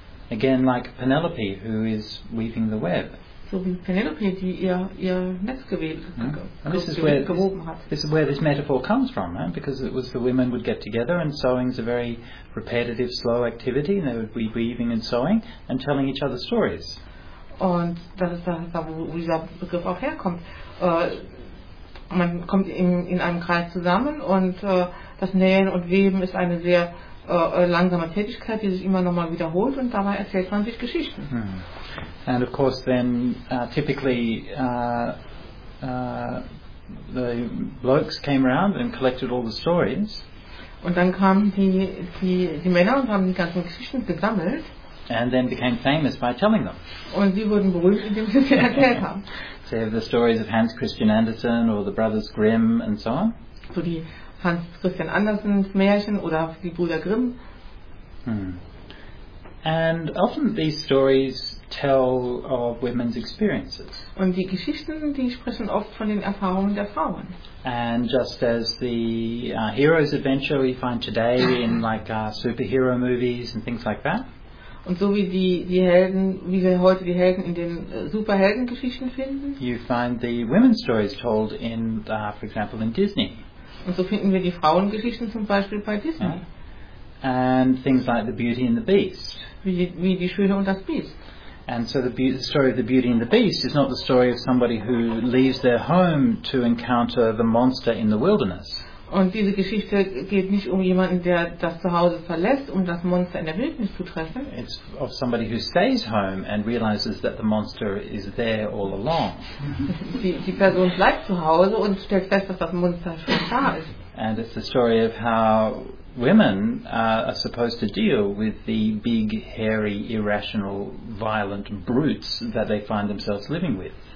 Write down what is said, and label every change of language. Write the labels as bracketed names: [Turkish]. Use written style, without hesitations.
[English] Again, like Penelope, who is weaving the web. [German] So wie Penelope, die ihr Netz gewoben hat. [English] This is where this metaphor comes from, right? Because it was the women would get together, and sewing is a very repetitive, slow activity, and they would be weaving and sewing and telling each other stories. [German] Und das ist da, wo dieser Begriff auch herkommt. Man kommt in einem Kreis zusammen, und das Nähen und Weben ist eine sehr langsame Tätigkeit, die sich immer nochmal wiederholt, und dabei erzählt man sich Geschichten. [English] And of course then typically the blokes came around and collected all the stories. [German] Und dann kamen die Männer und haben die ganzen Geschichten gesammelt. [English] And then became famous by telling them. [German] Und sie wurden berühmt, indem sie sie erzählt haben. [English] So you have the stories of Hans Christian Andersen or the Brothers Grimm and so on. [German] So die Hans-Christian Andersens Märchen oder die Brüder Grimm. [English] And often these stories tell of women's experiences. [German] Und die Geschichten, die sprechen oft von den Erfahrungen der Frauen. [English] And just as the hero's adventure we find today in like superhero movies and things like that. [German] Und so wie die Helden, wie wir heute die Helden in den Superheldengeschichten finden. [English] You find the women's stories told in, for example, in Disney. [German] Und so finden wir die Frauengeschichten zum Beispiel bei Disney. [English] Yeah. And things like The Beauty and the Beast. [German] Wie die Schöne und das Biest. [English] And so the story of The Beauty and the Beast is not the story of somebody who leaves their home to encounter the monster in the wilderness. [German] Und diese Geschichte geht nicht um jemanden, der das Zuhause verlässt, um das Monster in der Wildnis zu treffen. [English] It's of somebody who stays home and realizes that the monster is there all along. [German] Die Person bleibt zu Hause und stellt fest, dass das Monster schon da ist. [English] And it's the story of how women are supposed to deal with the big, hairy, irrational, violent brutes that they find themselves living with.